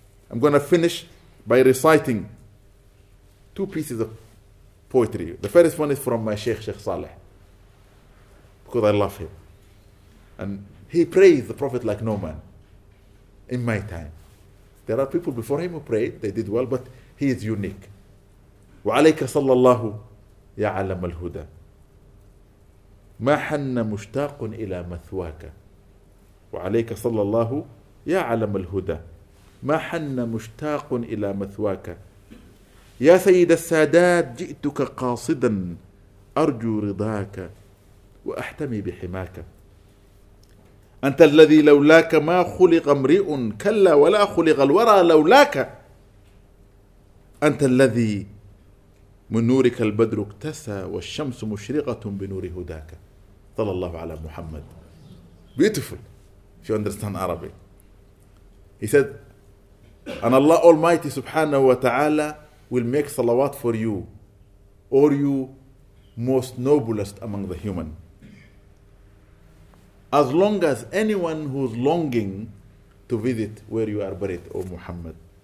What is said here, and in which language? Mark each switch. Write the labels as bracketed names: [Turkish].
[English] I'm going to finish by reciting two pieces of poetry. The first one is from my Sheikh Saleh, because I love him. And he praised the Prophet like no man in my time. There are people before him who prayed, they did well, but he is unique. [Arabic] وَعَلَيْكَ صَلَّى اللَّهُ يَا عَلَمَ الْهُدَى مَا حَنَّ مُشْتَاقٌ إِلَى مَثْوَاكَ وَعَلَيْكَ صَلَّى اللَّهُ يَا عَلَمَ الْهُدَى مَا حَنَّ مُشْتَاقٌ إِلَى مَثْوَاكَ يَا سَيِّدَ السَّادَاتِ جِئْتُكَ قَاصِدًا أَرْجُو رِضَاكَ وَأَحْتَمِي بِحِمَاكَ أنت الذي لولاك ما خلق امرئ كلا ولا خلق الورى لولاك أنت الذي من نورك البدر اكتسى والشمس مشرقة بنور هداك صلى الله على محمد. [English] Beautiful. If you understand Arabic. He said, and Allah Almighty subhanahu wa ta'ala will make salawat for you, or you most noblest among the human. As long as anyone who's longing to visit where you are buried, O Muhammad.